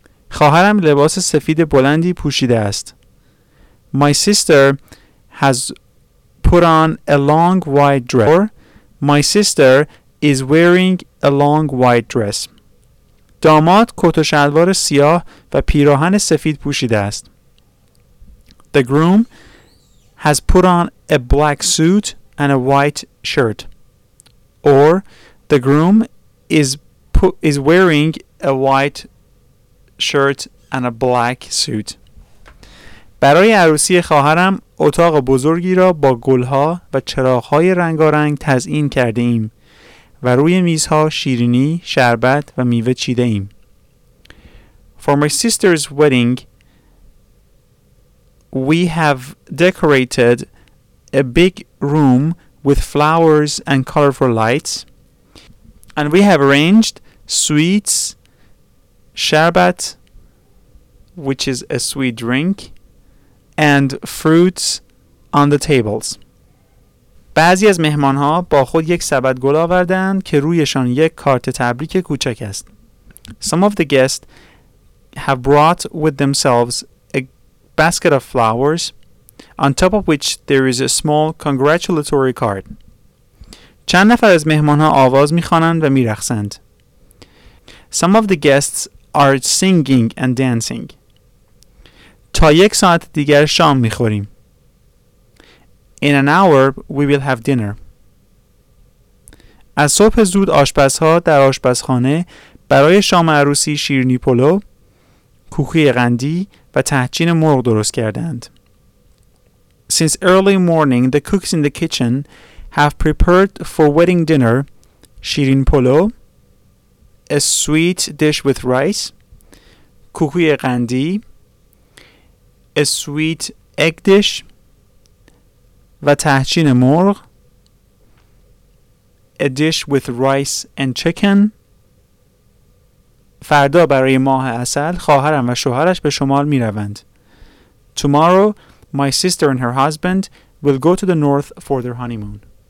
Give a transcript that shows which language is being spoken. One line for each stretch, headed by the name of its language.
Persian: خواهرم لباس سفید بلندی پوشیده است.
English: My sister has put on a long white dress. My sister is wearing a long white dress.
Persian: داماد کت و شلوار سیاه و پیراهن سفید پوشیده است.
English: The groom has put on a black suit and a white shirt. Or the groom is wearing a white shirt and a black suit.
Persian: برای عروسی خواهرم اتاق بزرگی را با گلها و چراغ‌های رنگارنگ تزیین کرده ایم. و روی میزها شیرینی، شربت و میوه چیده ایم.
English: For my sister's wedding, we have decorated a big room with flowers and colorful lights, and we have arranged sweets, sherbet, which is a sweet drink, and fruits on the tables.
Persian: بعضی از مهمان‌ها با خود یک سبد گل آوردند که رویشان یک کارت تبریک کوچک است.
English: Some of the guests have brought with themselves a basket of flowers on top of which there is a small congratulatory card.
Persian: چند نفر از مهمان‌ها آواز می‌خوانند و می‌رقصند.
English: Some of the guests are singing and dancing.
Persian: تا یک ساعت دیگر شام می‌خوریم.
English: In an hour, we will have dinner.
Persian: از صبح زود آشپزها در آشپزخانه برای شام عروسی شیرینی پلو، کوکی قندی و تحچین مرغ درست کردند.
English: Since early morning, the cooks in the kitchen have prepared for wedding dinner شیرین پلو, a sweet dish with rice, کوکی قندی, a sweet egg dish, و تحچین مرغ, a dish with rice and chicken.
Persian: فردا برای ماه عسل خواهرم و شوهرش به شمال می روند.
English: Tomorrow, my sister and her husband will go to the north for their honeymoon.